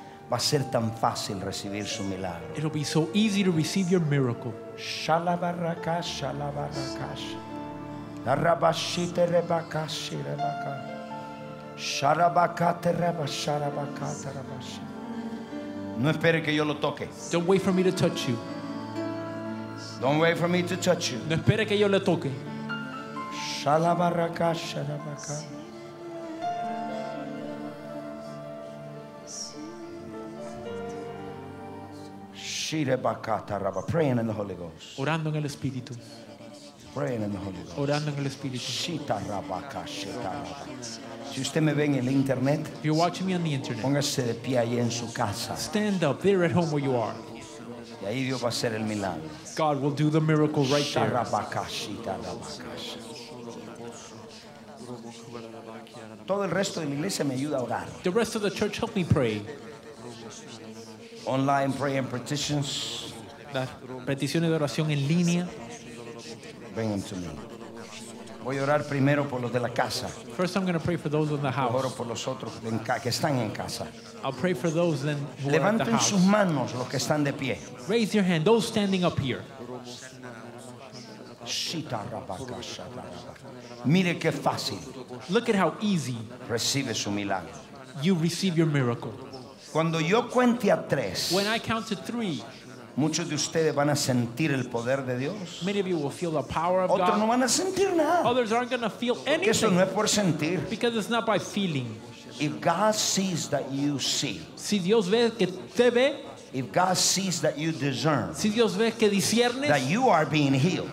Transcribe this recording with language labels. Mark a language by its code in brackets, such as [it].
[es] Va a ser tan fácil recibir su milagro. [en] It'll be so easy to receive your miracle. Shalabarakasha, la barakasha. La rabashite rebakashi rebakash. Sharabakate rebasharabakate rabash. [es] No espere que yo lo toque. [en] Don't wait for me to touch you. Don't wait for me to touch you. [es] No espere que yo le toque. Shalabarakasha rebakash. [en] Praying in the Holy Ghost. [es] Orando en el Espíritu. [en] Praying in the Holy Ghost. [es] Orando en el Espíritu. Shita rabaka, shita rabaka. Si usted me ve en el internet, [en] if you're watching me on the internet, [es] póngase de pie ahí en su casa. [en] Stand up there at home where you are. [es] Y ahí Dios va a hacer el milagro. [en] God will do the miracle right there. Shita rabaka, shita rabaka. [es] Todo el resto de la iglesia me ayuda a orar. [en] The rest of the church help me pray. Online prayer and petitions. [es] Las peticiones de oración en línea. [en] Bring them to me. [es] Voy a orar primero por los de la casa. [en] First, I'm going to pray for those in the house. [es] Oro por los otros que están en casa. [en] I'll pray for those then. [es] Levanten sus manos los que están de pie. [en] Raise your hand, those standing up here. Shita rabakasha rabakasha. [es] Mire qué fácil. [en] Look at how easy. [es] Recibe su milagro. [en] You receive your miracle. [es] Cuando yo cuente a tres, [en] when I count to three, [es] muchos de ustedes van a sentir el poder de Dios. [en] Many of you will feel the power of [es] God. Otros no van a sentir nada. [en] Others aren't going to feel anything. [es] Porque eso no es por sentir. [en] Because it's not by feeling. If God sees that you see, [es] si Dios ve que te ve, [en] if God sees that you discern, [es] si Dios ve que disiernes, [en] that you are being healed,